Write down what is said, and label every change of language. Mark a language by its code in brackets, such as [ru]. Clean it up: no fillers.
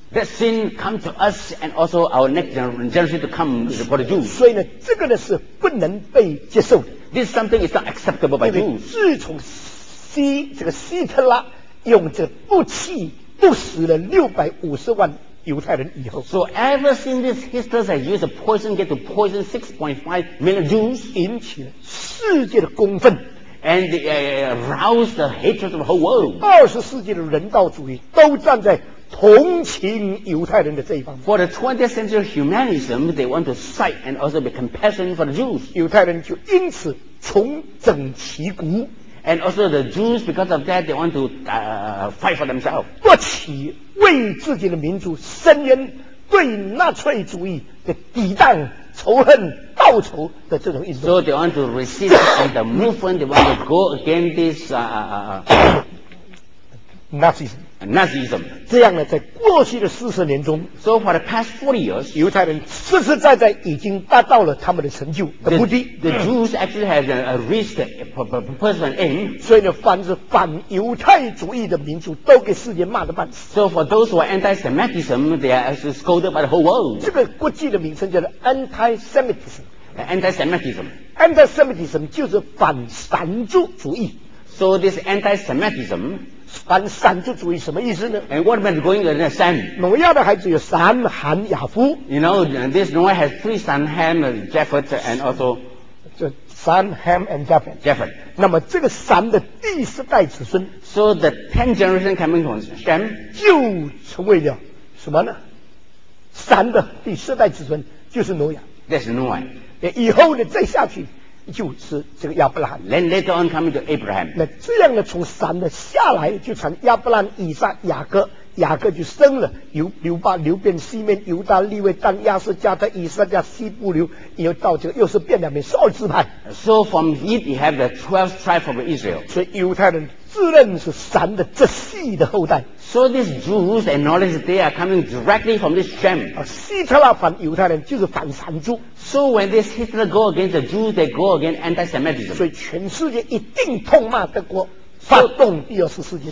[en] That sin come to us and also our next generation to come for the Jews. [zh] 所以呢，这个呢是不能被接受的。 [en] This something is not acceptable by Jews. [zh] 因为自从希特拉用这武器毒死了650万犹太人以后 [en] ，So ever since this Hitler has used a poison get to poison 6.5 million Jews, [zh] 引起了世界的公愤。 [en] And arouse the hatred of the whole world. [zh] 20世纪的人道主义都站在同情犹太人的这一方面。 [en] For the 20th century humanism, they want to fight and also be compassion for the Jews. [zh] 犹太人就因此重整旗鼓。 [en] And also the Jews, because of that, they want to fight for themselves. [zh] 不起为自己的民族伸冤，对纳粹主义的抵挡、仇恨、报仇的这种运动。 [en] So they want to resist and the movement. They want to go against this Nazism. Nazism. [zh] 这样呢，在过去的40年中 [en] ，So for the past 40 years， [zh] 犹太人实实在在已经达到了他们的成就的目的。 [en] The Jews actually has a reached a personal aim。 [zh] 所以呢，凡是反犹太主义的民族，都给世界骂得半死。 [en] So for those who are anti-Semitism， they are actually scolded by the whole world。 [zh] 这个国际的名称叫做 anti-Semitism。 [en] Anti-Semitism。 [zh] Anti-Semitism 就是反神族主义。 [en] So this anti-Semitism。 [zh] 凡闪族主义什么意思呢？ [en] And what about going to Sam? [zh] 挪亚的孩子有闪、韩、雅夫。 [en] You know, this Noah has three sons, Ham, Japhet, and also Sam, Ham, and Japhet. Japhet. [zh] 那么这个闪的第四代子孙 [en] ，So the ten generation coming from Sam [zh] 就成为了什么呢？闪的第四代子孙就是挪亚。 [en] That's Noah. [zh] 以后的再下去。就是这个亚伯拉罕 [en] Then later on coming to Abraham [zh] 那这样的从闪的下来就成亚伯拉罕以撒雅各雅各就生了犹流巴流变西面犹大利未当亚瑟加的以撒加西布流以后到这个又是变两面十二支派 [en] So from it you have the 12 tribes of Israel [zh] 所以犹太人自认是闪的这系的后代 [en] So these Jews acknowledge they are coming directly from this Shem [zh] 希特拉反犹太人就是反闪族 [en] So when this Hitler go against the Jews, they go against anti-Semitism. [zh] 所以全世界一定痛骂德国，发动第二次世界。